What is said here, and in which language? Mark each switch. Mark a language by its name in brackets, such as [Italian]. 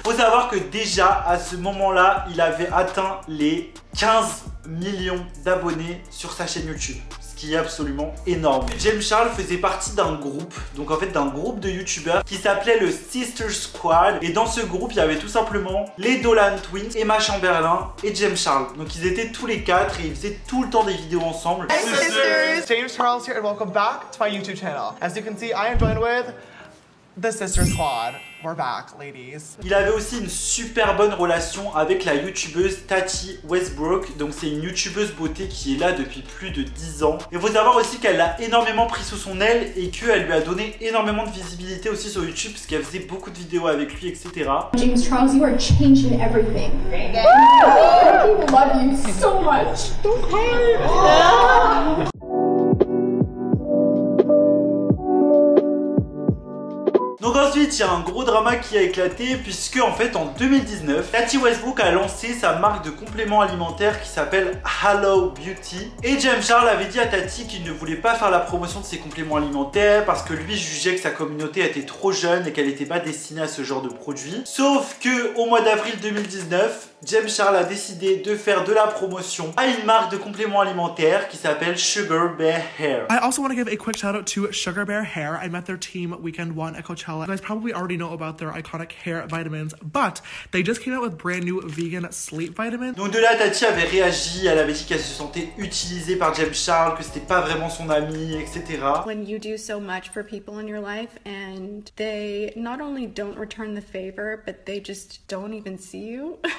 [French] Faut savoir que déjà à ce moment-là, il avait atteint les 15 millions d'abonnés sur sa chaîne YouTube, ce qui est absolument énorme. James Charles faisait partie d'un groupe, donc en fait d'un groupe de youtubeurs qui s'appelait le Sister Squad, et dans ce groupe il y avait tout simplement les Dolan Twins, Emma Chamberlain et James Charles. Donc ils étaient tous les quatre et ils faisaient tout le temps des vidéos ensemble. [English] Hey sisters, James Charles here and welcome back to my YouTube channel. As you can see, I am joined with the Sister Squad. We're back, ladies. [French] Il avait aussi une super bonne relation avec la youtubeuse Tati Westbrook. Donc c'est une youtubeuse beauté qui est là depuis plus de 10 ans. Il faut savoir aussi qu'elle l'a énormément pris sous son aile et qu'elle lui a donné énormément de visibilité aussi sur YouTube parce qu'elle faisait beaucoup de vidéos avec lui, etc. [English] James Charles, you are changing everything. People love you so much. Don't cry. [French] Donc ensuite, il y a un gros drama qui a éclaté puisque en fait en 2019, Tati Westbrook a lancé sa marque de compléments alimentaires qui s'appelle Hello Beauty. Et James Charles avait dit à Tati qu'il ne voulait pas faire la promotion de ses compléments alimentaires parce que lui jugeait que sa communauté était trop jeune et qu'elle n'était pas destinée à ce genre de produit. Sauf que au mois d'avril 2019, James Charles a décidé de faire de la promotion à une marque de compléments alimentaires qui s'appelle Sugar Bear Hair. [English] I also want to give a quick shout out to Sugar Bear Hair. I met their team weekend one at Coachella. You guys probably already know about their iconic hair vitamins, but they just came out with brand new vegan sleep vitamins. [French] Donc de là, Tati avait réagi. Elle avait dit qu'elle se sentait utilisée par James Charles, que c'était pas vraiment son ami, etc. [English] When you do so much for people in your life and they not only don't return the favor, but they just don't even see you.